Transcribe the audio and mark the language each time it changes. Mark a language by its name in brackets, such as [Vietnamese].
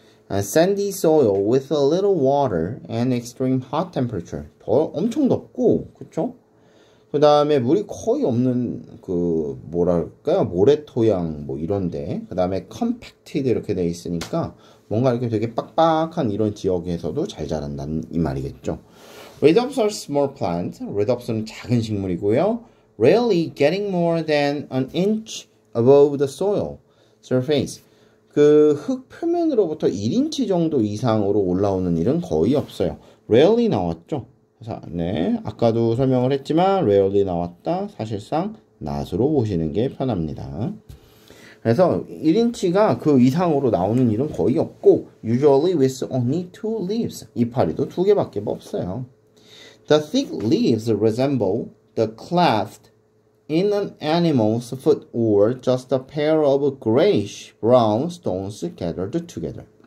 [English] Sandy soil with a little water and extreme hot temperature. [Korean] 엄청 덥고, 그렇죠? 그 다음에 물이 거의 없는 그 뭐랄까요? 모래 토양 뭐 이런데, 그 다음에 compacted 이렇게 돼 있으니까 뭔가 이렇게 되게 빡빡한 이런 지역에서도 잘 자란다는 이 말이겠죠. [English] Redops are small plants. [Korean] Redops는 작은 식물이고요. [English] Rarely getting more than an inch above the soil surface. [Korean] 그 흙 표면으로부터 1인치 정도 이상으로 올라오는 일은 거의 없어요. Rarely 나왔죠. 자, 네. 아까도 설명을 했지만 rarely 나왔다. 사실상 not으로 보시는 게 편합니다. 그래서 1인치가 그 이상으로 나오는 일은 거의 없고 [English] usually with only two leaves. [Korean] 이파리도 두 개밖에 없어요. [English] The thick leaves resemble the cleft in an animal's foot or just a pair of grayish brown stones gathered together.